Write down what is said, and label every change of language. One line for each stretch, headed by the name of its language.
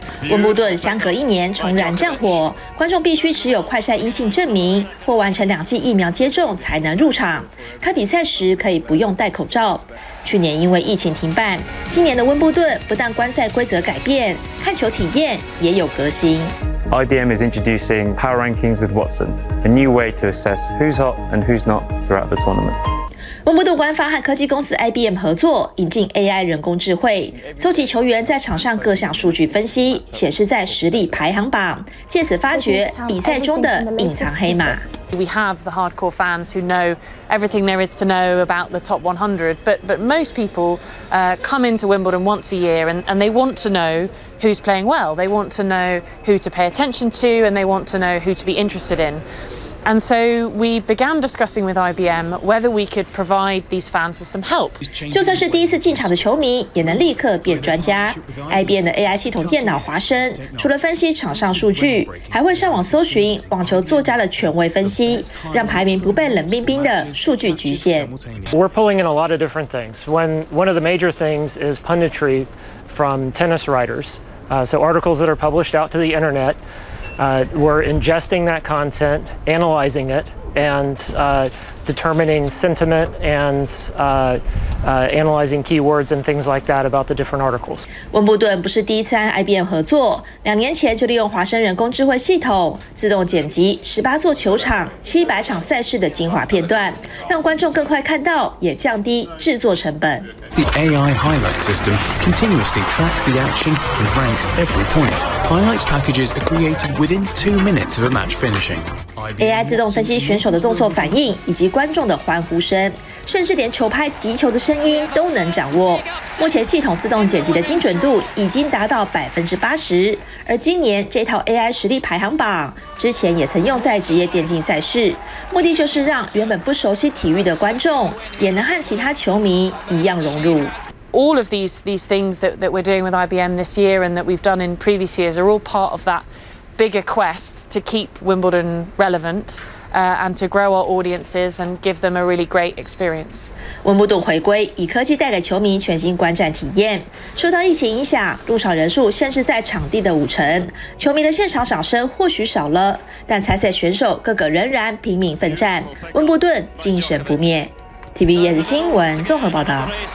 Chinese: 温布顿相隔一年重燃战火，观众必须持有快筛阴性证明或完成两剂疫苗接种才能入场，看比赛时可以不用戴口罩。去年因为疫情停办，今年的温布顿不但观赛规则改变，看球体验也有革新。
English: IBM is introducing power rankings with Watson, a new way to assess who's hot and who's not throughout the tournament.
Chinese: 温布顿官方和科技公司 IBM 合作，引进 AI 人工智慧，搜集球员在场上各项数据分析，显示在实力排行榜，借此发掘比赛中的隐藏黑马。
English: We have the hardcore fans who know everything there is to know about the top 100, but most people come into Wimbledon once a year and they want to know who's playing well. They want to know who to pay attention to and they want to know who to be interested in. And so we began discussing with IBM whether we could provide these fans with some help.
Chinese: 就算是第一次进场的球迷，也能立刻变专家。 IBM 的 AI 系统电脑华生，除了分析场上数据，还会上网搜寻网球作家的权威分析，让排名不被冷冰冰的数据局限。
English: We're pulling in a lot of different things. One of the major things is punditry from tennis writers. So articles that are published out to the internet.We're ingesting that content, analyzing it, and determining sentiment and analyzing keywords and things like that about the different articles.
Chinese: 温布顿不是第一次和 IBM 合作，两年前就利用华生人工智慧系统自动剪辑18座球场、700场赛事的精华片段，让观众更快看到，也降低制作成本。
English: The AI highlight system continuously tracks the action and ranks every point. Highlights packages are created within 2 minutes of a match finishing.
Chinese: AI 自动分析选手的动作反应以及观众的欢呼声，甚至连球拍击球的声音都能掌握。目前系统自动剪辑的精准度已经达到80%，而今年这套 AI 实力排行榜之前也曾用在职业电竞赛事，目的就是让原本不熟悉体育的观众也能和其他球迷一样融入。
English: All of these things that we're doing with IBM this year and that we've done in previous years are all part of that bigger quest to keep Wimbledon relevant。 And to grow our audiences and give them a really great experience.
Chinese: 温布顿回归，以科技带给球迷全新观战体验。受到疫情影响，入场人数限制在场地的50%，球迷的现场掌声或许少了，但参赛选手个个仍然拼命奋战，温布顿精神不灭。 TVBS 新闻综合报道。